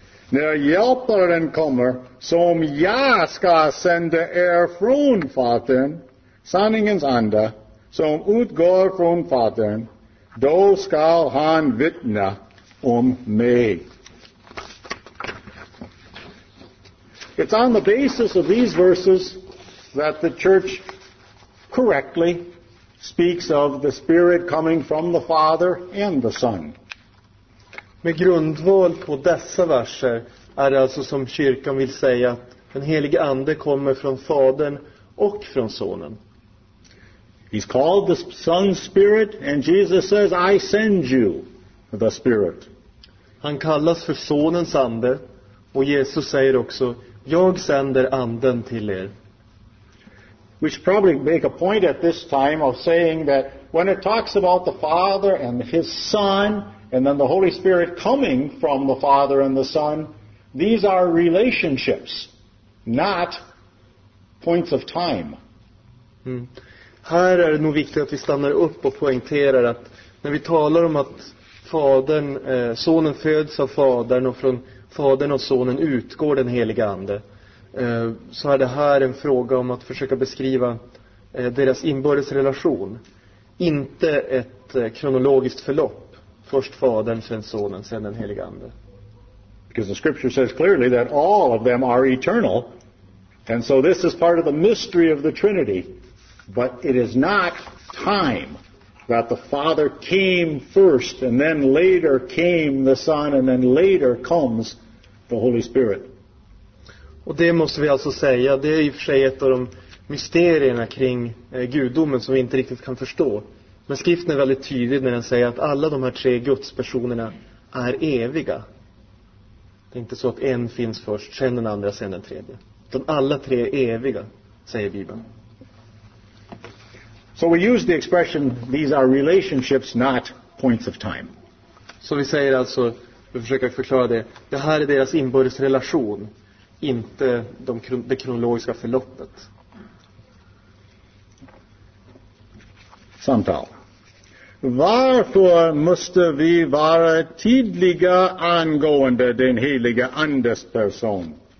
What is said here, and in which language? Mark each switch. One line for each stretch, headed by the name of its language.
Swedish: När hjälparen kommer, som jag ska sända er från Fadern, sanningens ande, som utgår från Fadern, då ska han vittna om mig.
English: It's on the basis of these verses that the church correctly speaks of the Spirit coming from the Father and the Son.
Swedish: Med grundval på dessa verser är det alltså som kyrkan vill säga att den helige ande kommer från Fadern och från Sonen.
English: He's called the Son's Spirit and Jesus says I send you the Spirit.
Swedish: Han kallas för Sonens ande och Jesus säger också jag sänder anden till er.
English: We should probably make a point at this time of saying that when it talks about the Father and his Son and then the Holy Spirit coming from the Father and the Son, these are relationships, not points of time.
Swedish: Här är det nog viktigt att vi stannar upp och poängterar att när vi talar om att fadern, sonen föds av fadern och från fadern och sonen utgår den heliga ande, så är det här en fråga om att försöka beskriva deras inbördes relation, inte ett kronologiskt förlopp. Först fadern, sen sonen, sen den helige ande.
English: Because the scripture says clearly that all of them are eternal. And so this is part of the mystery of the Trinity. But it is not time that the Father came first and then later came the Son and then later comes the Holy Spirit.
Swedish: Och det måste vi alltså säga. Det är i och för sig ett av de mysterierna kring gudomen som vi inte riktigt kan förstå. Men skriften är väldigt tydlig när den säger att alla de här tre gudspersonerna är eviga. Det är inte så att en finns först, sen den andra, sen den tredje. De alla tre är eviga, säger Bibeln.
English: So we use the expression, these are relationships, not points of time.
Swedish: Så vi säger alltså, vi försöker förklara det. Det här är deras inbördes relation, inte det kronologiska förloppet. Samtal. Varför måste vi vara tydliga angående den heliga andes person?